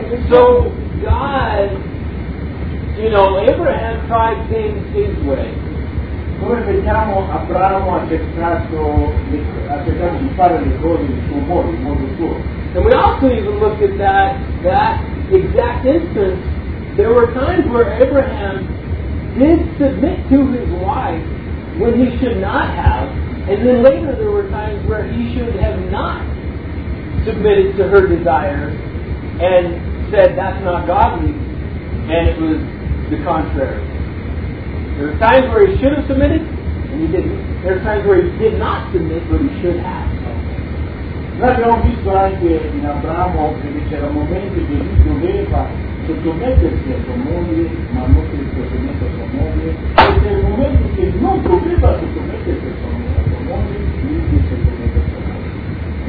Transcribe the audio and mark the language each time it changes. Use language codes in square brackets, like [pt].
[en] So God, you know, Abraham tried things his way. [it] Come vediamo, Abramo ha cercato di fare le cose in suo modo, in modo suo. [en] And we also even looked at that exact instance. There were times where Abraham did submit to his wife when he should not have, And then later there were times where he should have not submitted to her desires and said, that's not godly, and it was the contrary. There were times where he should have submitted, and he didn't. There are times where he did not submit, but he should have. [it] Non abbiamo visto anche in Abramo che c'era un momento che lui doveva sottomettersi a sua moglie, ma non si sottomette a sua moglie, e c'era un momento che non doveva sottomettersi a sua moglie, lui si sottomette a sua moglie.